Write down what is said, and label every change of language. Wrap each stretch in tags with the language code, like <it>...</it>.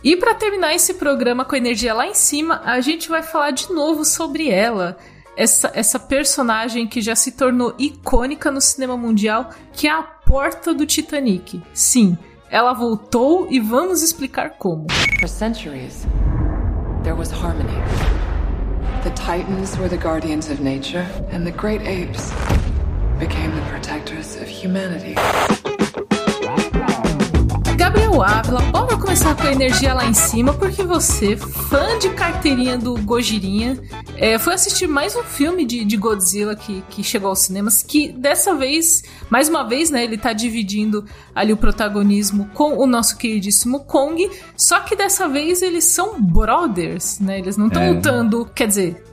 <pt>E pra terminar esse programa com a energia lá em cima, a gente vai falar de novo sobre ela. Essa personagem que já se tornou icônica no cinema mundial, que é a porta do Titanic. Sim, ela voltou e vamos explicar como.</pt> <en>For centuries, there was harmony. The Titans were the guardians of nature, and the great apes became the protectors of humanity.</en> <pt>Gabriel Ávila, bora começar com a energia lá em cima, porque você, fã de carteirinha do Gojirinha, foi assistir mais um filme de Godzilla que chegou aos cinemas, que dessa vez, mais uma vez, né, ele tá dividindo ali o protagonismo com o nosso queridíssimo Kong, só que dessa vez eles são brothers, né, eles não estão lutando, quer dizer...</pt>